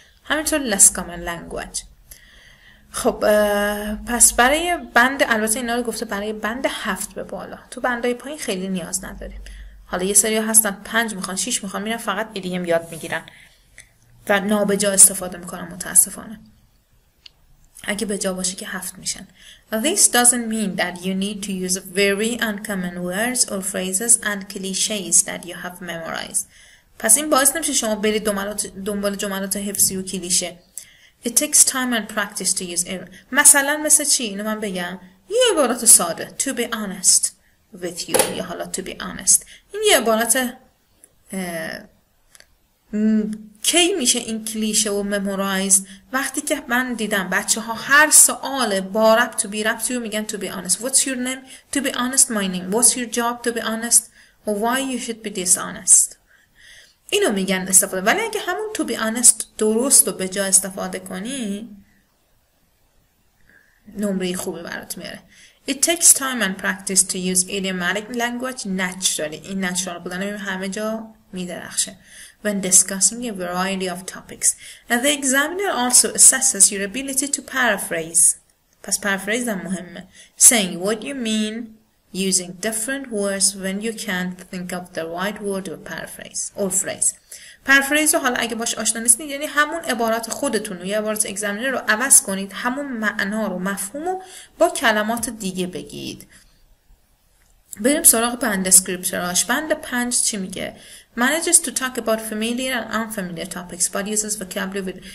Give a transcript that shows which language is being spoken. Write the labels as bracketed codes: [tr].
[fa] همینطور لس کامن لنگویج. خب پس برای بند، البته اینا رو گفته برای بند 7 به بالا، تو بندای پایین خیلی نیاز نداریم. حالا یه سری هستن 5 میخوان 6 میخوان میرن فقط ایدیوم یاد میگیرن و نابجا استفاده میکنن متاسفانه. اگه به جا باشه که 7 میشن. [en] This doesn't mean that you need to use very uncommon words or phrases and clichés that you have memorized. [fa] پس این باعث نمیشه شما برید دنبال جملات حفظی و کلیشه. [en] It takes time and practice to use error. [fa] مثلا مثل چی؟ اینو من بگم. یه عبارت ساده. [en] To be honest with you. [fa] یا حالا [en] to be honest. [fa] این یه عبارت کی میشه این کلیشه و ممورایز؟ وقتی که من دیدم بچه ها هر سؤال با رب تو بی رب تو میگن [en] to be honest. What's your name? To be honest my name. What's your job? To be honest. Why you should be dishonest? [fa] اینو میگن استفاده. ولی اگه همون [en] to be honest [fa] درست و به جا استفاده کنی نمره خوبی برات میاره. [en] It takes time and practice to use idiomatic language naturally. [fa] این natural بودن همه جا میدرخشه. [en] When discussing a variety of topics. And the examiner also assesses your ability to paraphrase. [fa] پس paraphrase هم مهمه. [en] Saying what you mean using different words when you can't think of the right word or paraphrase or phrase. [fa] Paraphrase رو حالا اگه باش آشنا نیستید یعنی همون عبارات خودتون رو یا عبارات اگزامینر رو عوض کنید، همون معنا رو مفهوم رو با کلمات دیگه بگید. بریم سراغ بند دسکریپتوراش. بند 5 چی میگه؟ [en] Manages to talk about familiar and unfamiliar topics but uses vocabulary with...